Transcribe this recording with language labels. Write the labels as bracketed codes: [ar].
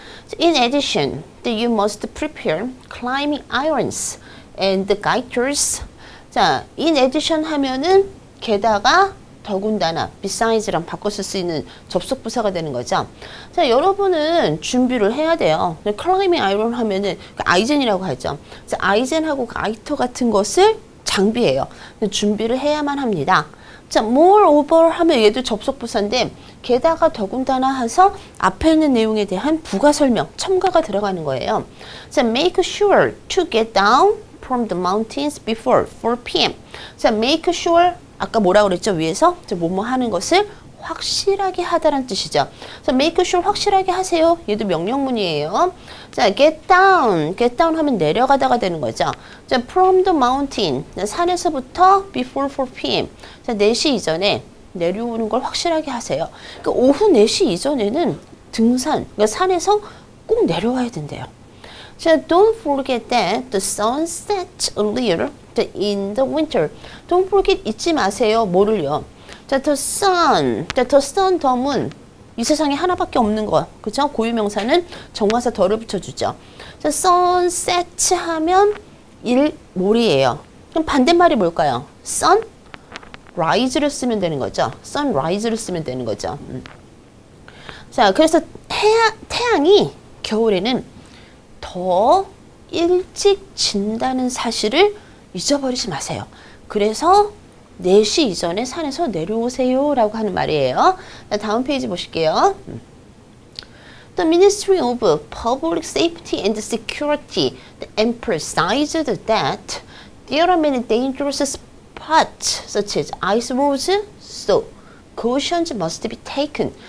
[en] So in addition, you must prepare climbing irons and guiters. [ko] 자, in addition 하면은 게다가 더군다나 besides랑 바꿔서 쓰이는 접속 부사가 되는 거죠. 자, 여러분은 준비를 해야 돼요. climbing iron 하면은 아이젠이라고 하죠. 아이젠하고 아이터 같은 것을 장비해요. 준비를 해야만 합니다. 자, moreover 하면 얘도 접속 부사인데 게다가 더군다나 해서 앞에 있는 내용에 대한 부가 설명, 첨가가 들어가는 거예요. [en] 자, make sure to get down from the mountains before 4 p.m. [ko] 자, make sure 아까 뭐라고 그랬죠? 위에서 뭐뭐 하는 것을 확실하게 하다라는 뜻이죠. 자, make sure 확실하게 하세요. 얘도 명령문이에요. 자, get down. get down 하면 내려가다가 되는 거죠. 자, [en] from the mountain. [ko] 산에서부터 before 4 p.m. 자, 4시 이전에 내려오는 걸 확실하게 하세요. 그러니까 오후 4시 이전에는 등산, 그러니까 산에서 꼭 내려와야 된대요. [en] 자, don't forget that the sun sets earlier in the winter. [ko] Don't forget 잊지 마세요. 뭐를요? 자, the sun. 자, the sun, the moon. 이 세상에 하나밖에 없는 거. 그쵸? 고유명사는 정화사 덜을 붙여주죠. 자, sun sets 하면 일, 몰이에요. 그럼 반대말이 뭘까요? sun rise를 쓰면 되는 거죠. sun rise를 쓰면 되는 거죠. 자, 그래서 태양이 겨울에는 더 일찍 진다는 사실을 잊어버리지 마세요. 그래서 4시 이전에 산에서 내려오세요 라고 하는 말이에요. 자, 다음 페이지 보실게요. [en] The Ministry of Public Safety and Security emphasized that there are many dangerous spots such as ice roads, so cautions must be taken.